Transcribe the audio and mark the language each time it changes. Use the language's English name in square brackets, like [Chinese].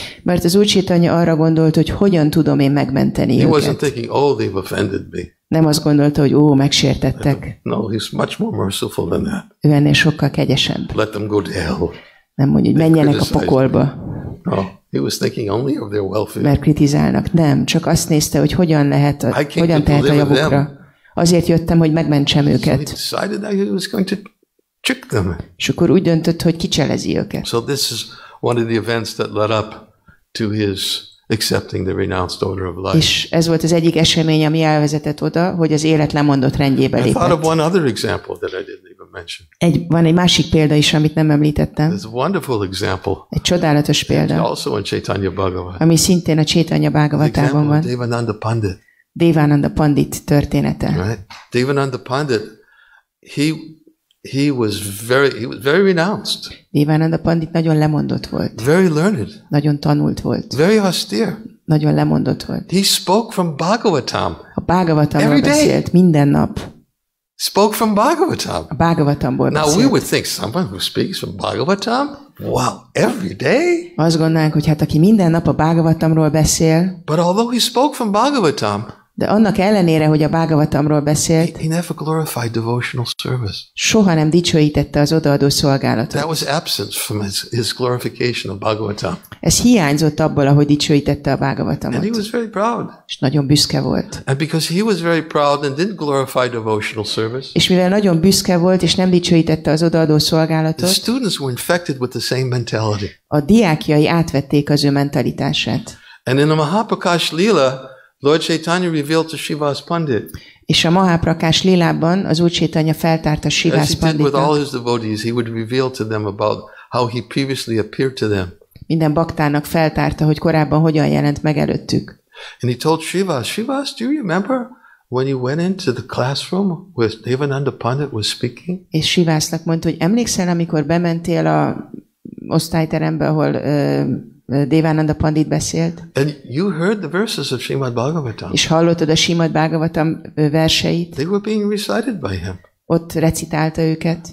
[Hungarian] Mert az Úr Caitanya arra gondolt, hogy hogyan tudom én megmenteni őket. [English] He wasn't thinking, oh, they've offended me. [Hungarian] Nem azt gondolta, hogy ó, megsértettek. [English] No, he's much more merciful than that. [Hungarian] Ő ennél sokkal kegyesebb. [English] Let them go to hell. [Hungarian] Nem mondja, hogy menjenek a pokolba. [English] No, he was thinking only of their welfare. [Hungarian] Mert kritizálnak. Nem, csak azt nézte, hogy hogyan lehet, hogyan tehet a javukra. Azért jöttem, hogy megmentsem őket. [English] He decided that he was going to trick them. [Hungarian] És akkor úgy döntött, hogy kicselezi őket. [English] So this is one of the events that led up to his accepting the renounced order of life. [Hungarian] És ez volt az egyik esemény, ami elvezetett oda, hogy az élet lemondott rendjébe lépett. [English] I thought of one other example that I didn't even mention. [Hungarian] Van egy másik példa is, amit nem említettem. [English] It's a wonderful example. [Hungarian] Egy csodálatos példa. [English] It's also in Caitanya Bhagavat. [Hungarian] Ami szintén a Caitanya Bhagavatában van. [English] Devananda Pandit. [Hungarian] Devananda Pandit története. [English] Right. Devananda Pandit, he was very renounced. [Hungarian] Devananda Pandit nagyon lemondott volt. [English] Very learned. [Hungarian] Nagyon tanult volt. [English] Very austere. [Hungarian] Nagyon lemondott volt. [English] He spoke from Bhagavatam. [Hungarian] A Bhagavatamról beszélt minden nap. [English] Spoke from Bhagavatam. [Hungarian] A Bhagavatamból beszélt. [English] Now we would think someone who speaks from Bhagavatam, wow, every day? [Hungarian] Azt gondolnánk, hogy hát aki minden nap a Bhagavatamról beszél. [English] But although he spoke from Bhagavatam, [Hungarian] de annak ellenére, hogy a Bhagavatamról beszélt, [English] he never glorified devotional service. [Hungarian] Soha nem dicsőítette az odaadó szolgálatot. [English] That was absent from his glorification of Bhagavatam. [Hungarian] Ez hiányzott abból, ahogy dicsőítette a Bhagavatamot. [English] And he was very proud. [Hungarian] És nagyon büszke volt. [English] And because he was very proud and didn't glorify devotional service. [Hungarian] És mivel nagyon büszke volt és nem dicsőítette az odaadó szolgálatot. [English] The students were infected with the same mentality. [Hungarian] A diákjai átvették az ő mentalitását. [English] And in the Mahaprakash Lila, Lord Caitanya revealed to Shivas Pandit. [Hungarian] És a Mahaprakash Lilában az Úr Caitanya feltárta Shivas Panditot. [English] As he did with all his devotees, he would reveal to them about how he previously appeared to them. [Hungarian] Minden baktának feltárta, hogy korábban hogyan jelent meg előttük. [English] And he told Shivas, Shivas, do you remember when you went into the classroom where Devananda Pandit was speaking? [Hungarian] És Shivasnak mondta, hogy emlékszel, amikor bementél a osztályterembe, ahol Devananda Pandit beszélt. [English] And you heard the verses of Srimad Bhagavatam. [Hungarian] És hallottad a Srimad Bhagavatam verseit. [English] They were being recited by him. [Hungarian] Ott recitálta őket.